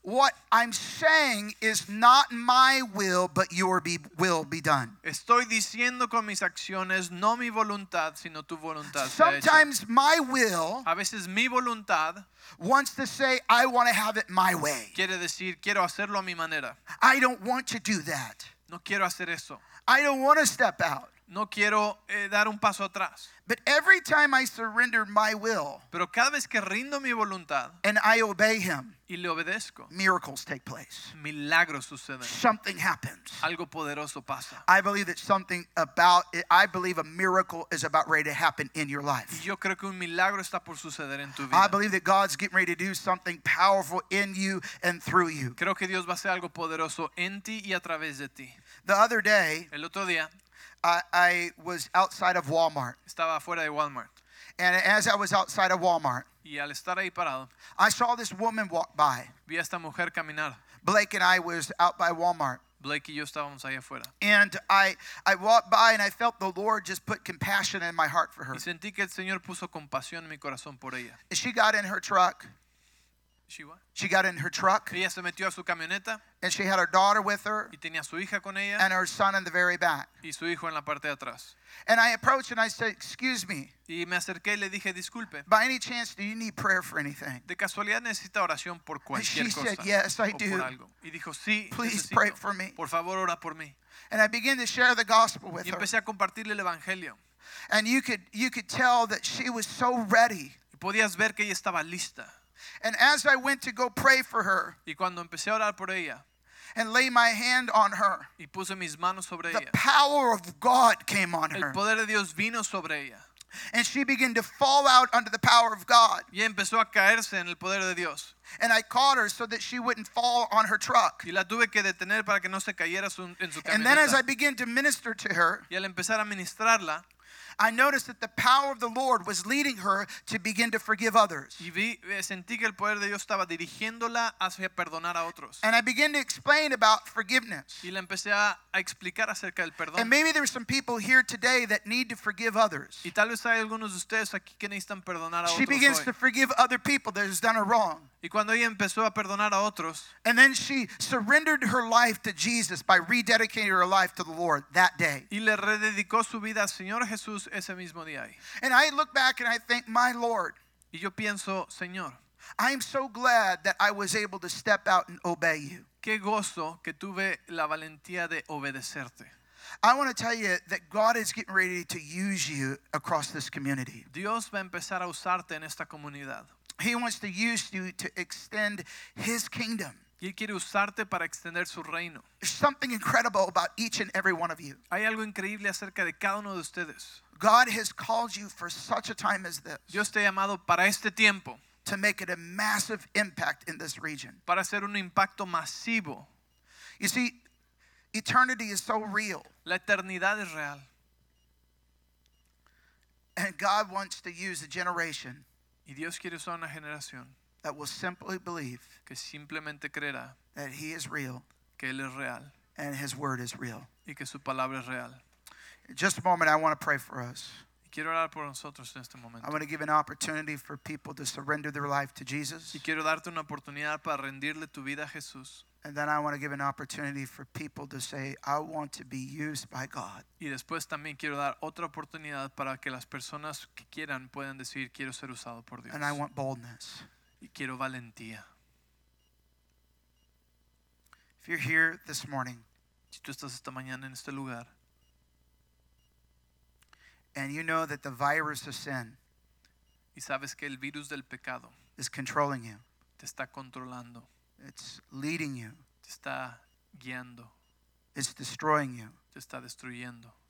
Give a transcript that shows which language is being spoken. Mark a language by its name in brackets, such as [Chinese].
[English] what I'm saying is not my will, but your will be done. [Spanish] Estoy diciendo con mis acciones no mi voluntad sino tu voluntad. [English] Sometimes my will, [Spanish] a veces mi voluntad, [English] wants to say I want to have it my way. [Spanish] Quiere decir quiero hacerlo a mi manera. [English] I don't want to do that. [Spanish] No quiero hacer eso. [English] I don't want to step out. [Spanish] No quiero dar un paso atrás. [English] But every time I surrender my will, [Spanish] pero cada vez que rindo mi voluntad, [English] and I obey him, [Spanish] y le obedezco, [English] miracles take place. [Spanish] Milagros suceden. [English] Something happens. [Spanish] Algo poderoso pasa. [English] I believe that something about it, I believe a miracle is about ready to happen in your life. [Spanish] Yo creo que un milagro está por suceder en tu vida. [English] I believe that God's getting ready to do something powerful in you and through you. [Spanish] Creo que Dios va a hacer algo poderoso en ti y a través de ti. [English] The other day, [Spanish] el otro día, [English] I was outside of Walmart. [Spanish] Estaba fuera de Walmart. [English] And as I was outside of Walmart, [Spanish] y al estar ahí parado, [English] I saw this woman walk by. [Spanish] Vi a esta mujer caminar. [English] Blake and I was out by Walmart. [Spanish] Blake y yo estábamos ahí afuera. [English] And I walked by and I felt the Lord just put compassion in my heart for her. [Spanish] Y sentí que el Señor puso compasión en mi corazón por ella. [English] And she got in her truck. She what? She got in her truck. [Spanish] Ella se metió a su camioneta. [English] And she had her daughter with her. [Spanish] Y tenía su hija con ella. [English] And her son in the very back. [Spanish] Y su hijo en la parte de atrás. [English] And I approached and I said, excuse me. [Spanish] Y me acerqué y le dije, disculpe. [English] By any chance, do you need prayer for anything? [Spanish] De casualidad necesita oración por cualquier cosa. [English] And she said, yes, I do. [Spanish] O por algo. Y dijo, sí, [English] please [Spanish] necesito. [English] Pray for me. [Spanish] Por favor, ora por mí. [English] And I began to share the gospel with her. [Spanish] Y empecé [English] her. [Spanish] A compartirle el evangelio. [English] And you could tell that she was so ready. [Spanish] Y podías ver que ella estaba lista. [English] And as I went to go pray for her, [Spanish] y cuando empecé a orar por ella, [English] and lay my hand on her, [Spanish] y puse mis manos sobre [English] the [Spanish] ella, [English] power of God came on [Spanish] el poder de Dios vino sobre ella. [English] And she began to fall out under the power of God. [Spanish] Y empezó a caerse en el poder de Dios. [English] And I caught her so that she wouldn't fall on her truck. [Spanish] Y la tuve que detener para que no se cayera su, en su camioneta. [English] And then as I began to minister to her, [Spanish] y al empezar a ministrarla, [English] I noticed that the power of the Lord was leading her to begin to forgive others. [Spanish] Y vi, sentí que el poder de Dios estaba dirigiéndola hacia perdonar a otros. [English] And I began to explain about forgiveness. [Spanish] Y le empecé a explicar acerca del perdón. [English] And maybe there are some people here today that need to forgive others. [Spanish] Y tal vez hay algunos de ustedes aquí que necesitan perdonar a otros. [English] She begins to forgive other people that has done her wrong. [Spanish] Y cuando ella empezó a perdonar a otros, [English] and then she surrendered her life to Jesus by rededicating her life to the Lord that day. [Spanish] Y le rededicó su vida al Señor Jesús ese mismo día. [English] And I look back and I think, my Lord, [Spanish] y yo pienso, Señor, [English] I am so glad that I was able to step out and obey you. [Spanish] Qué gozo que tuve la valentía de obedecerte. [English] I want to tell you that God is getting ready to use you across this community. [Spanish] Dios va a empezar a usarte en esta comunidad. [English] He wants to use you to extend his kingdom. [Spanish] Y él quiere usarte para extender su reino. [English] There's something incredible about each and every one of you. [Spanish] Hay algo increíble acerca de cada uno de ustedes. [English] God has called you for such a time as this. [Spanish] Dios te ha llamado para este tiempo. [English] To make it a massive impact in this region. [Spanish] Para hacer un impacto masivo. [English] You see, eternity is so real. [Spanish] La eternidad es real. [English] And God wants to use a generation. [Spanish] Y Dios quiere usar una generación [English] that will simply believe [Spanish] que simplemente creerá [English] that he is real, [Spanish] que él es real [English] and his word is real. [Spanish] Y que su palabra es real. [English] In just a moment, I want to pray for us. [Spanish] Quiero orar por nosotros en este momento. [English] I want to give an opportunity for people to surrender their life to Jesus. [Spanish] Y quiero darte una oportunidad para rendirle tu vida a Jesús. [English] And then I want to give an opportunity for people to say, I want to be used by God. [Spanish] Y después también quiero dar otra oportunidad para que las personas que quieran puedan decir, quiero ser usado por Dios. [English] And I want boldness. [Spanish] Y quiero valentía. [English] If you're here this morning, [Spanish] si tú estás esta mañana en este lugar, [English] and you know that the virus of sin, [Spanish] y sabes que el virus del pecado, [English] is controlling you, [Spanish] te está controlando, [English] it's leading you, [Spanish] te está guiando, [English] it's destroying you, [Spanish] te está destruyendo.